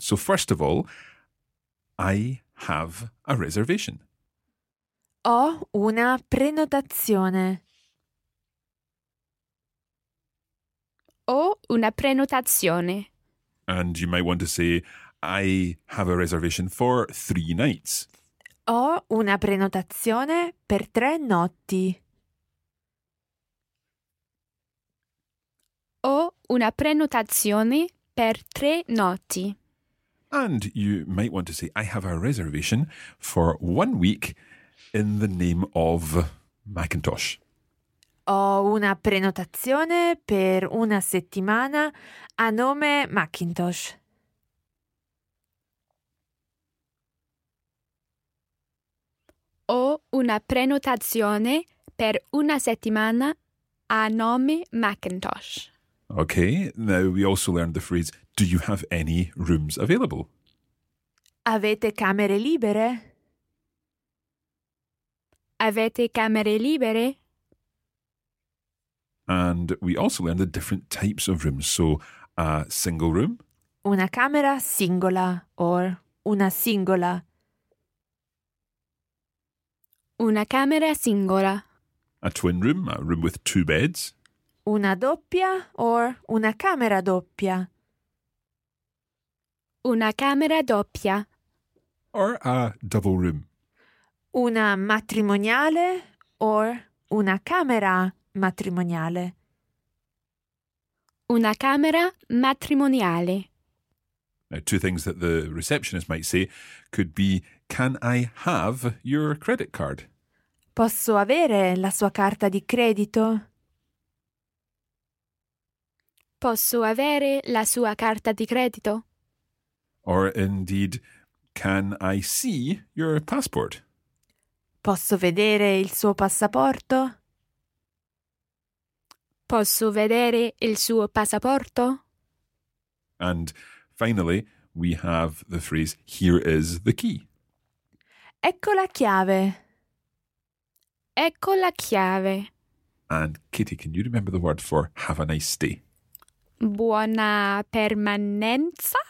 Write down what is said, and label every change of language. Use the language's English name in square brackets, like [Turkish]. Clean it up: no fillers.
[English] So first of all, I have a reservation. [Italian] Ho una prenotazione. Ho una prenotazione. [English] And you might want to say, I have a reservation for 3 nights. [Italian] Ho una prenotazione per 3 notti. Ho una prenotazione per 3 notti. [English] And you might want to say, I have a reservation for 1 week in the name of Macintosh. [Italian] Ho una prenotazione per 1 settimana a nome Macintosh. Ho una prenotazione per 1 settimana a nome Macintosh. [English] Okay, now we also learned the phrase, do you have any rooms available? [Italian] Avete camere libere? Avete camere libere? [English] And we also learned the different types of rooms. So, a single room. [Italian] Una camera singola or una singola. Una camera singola. [English] A twin room, a room with 2 beds. [Italian] Una doppia or una camera doppia. Una camera doppia. [English] Or a double room. [Italian] Una matrimoniale or una camera matrimoniale. Una camera matrimoniale. [English] Now, 2 things that the receptionist might say could be, can I have your credit card? [Italian] Posso avere la sua carta di credito? Posso avere la sua carta di credito? [English] Or indeed, can I see your passport? [Italian] Posso vedere il suo passaporto? Posso vedere il suo passaporto? [English] And finally, we have the phrase, here is the key. [Italian] Ecco la chiave. Ecco la chiave. [English] And Kitty, can you remember the word for have a nice stay? [Italian] Buona permanenza.